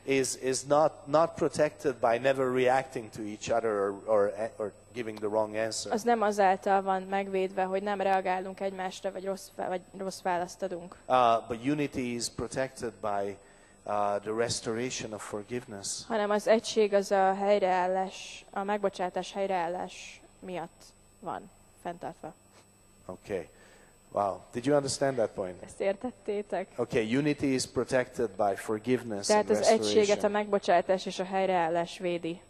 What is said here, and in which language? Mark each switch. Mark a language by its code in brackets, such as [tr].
[en] is not protected by never reacting to each other or giving the wrong answer. [hu] Az nem azáltal van megvédve, hogy nem reagálunk egymásra vagy rossz választ adunk. [en] But unity is protected by the restoration of forgiveness. [hu] Hanem az egység az a helyreállás, a megbocsátás helyreállás miatt van fenntartva. [en] Okay. Wow, did you understand that point? [hu] Ezt értettétek. [en] Okay, unity is protected by forgiveness [hu] Tehát [en] and restoration. [hu] Tehát az egységet a megbocsátás és a helyreállás védi.